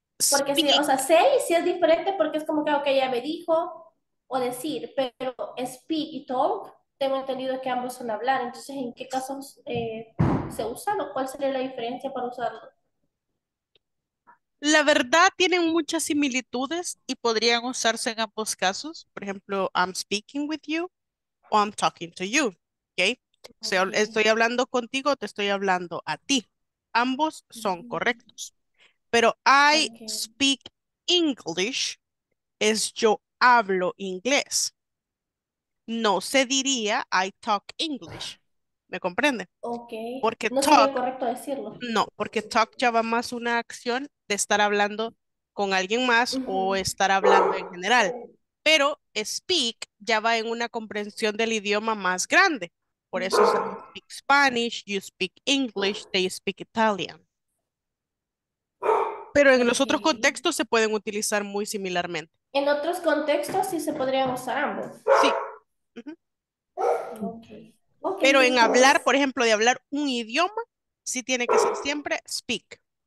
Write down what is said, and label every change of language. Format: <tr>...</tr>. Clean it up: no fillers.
<es>Porque speak. Si, o sea, sé y si es diferente porque es como que okay, ya me dijo o decir, pero speak y talk, tengo entendido que ambos son hablar. Entonces, ¿en qué casos se usan o cuál sería la diferencia para usarlo? La verdad, tienen muchas similitudes y podrían usarse en ambos casos. Por ejemplo,</es> <en>I'm speaking with you</en> <es>o</es> <en>I'm talking to you.</en> <es>¿Okay? O sea, estoy hablando contigo, te estoy hablando a ti. Ambos son correctos. Pero</es> <en>I speak English</en> <es>es yo hablo inglés. No se diría</es> <en>I talk English.</en> <es>¿Me comprende? Ok. Porque no</es> <en>talk,</en> <es>sería correcto decirlo. No, porque talk ya va más una acción de estar hablando con alguien más o estar hablando en general. Pero speak ya va en una comprensión del idioma más grande. Por eso se</es> <en>speak Spanish, you speak English, they speak Italian.</en> <es>Pero en los otros contextos se pueden utilizar muy similarmente. En otros contextos sí se podrían usar ambos. Sí. Uh-huh. Ok. Okay, pero en hablar, por ejemplo, de hablar un idioma, sí tiene que ser siempre speak.</es>